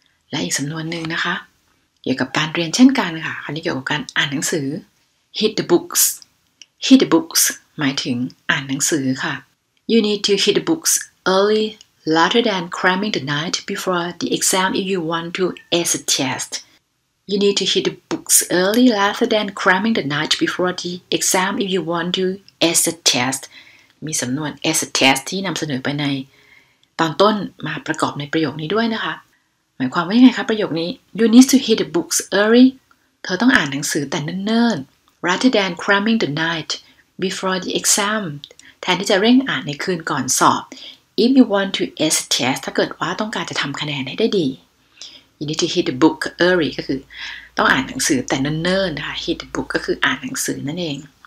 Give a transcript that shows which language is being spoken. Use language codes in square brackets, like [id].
[th] และอีกสำนวนหนึ่งนะคะเกี่ยวกับการเรียนเช่นกันค่ะอันนี้เกี่ยวกับการอ่านหนังสือ [en] hit the books [th] หมายถึงอ่านหนังสือค่ะ [en] you need to hit the books earlyRather than cramming the night before the exam if you want to ace a test. You need to hit the books early rather than cramming the night before the exam if you want to ace a test. [th] มีสำนวน ace a test ที่นำเสนอไปในตอนต้นมาประกอบในประโยคนี้ด้วยนะคะหมายความว่ายังไงคะประโยคนี้ [en] You need to hit the books early. [th] เธอต้องอ่านหนังสือแต่เนิ่นๆ [en] Rather than cramming the night before the exam. [th] แทนที่จะเร่งอ่านในคืนก่อนสอบ [en] If you want to ace a test, [th] ถ้าเกิดว่าต้องการจะทำคะแนนให้ได้ดี [en] You need to hit the book early, [th] ก็คือต้องอ่านหนังสือแต่เนิ่นๆนะคะ [en] Hit the book [th] ก็คืออ่านหนังสือนั่นเอง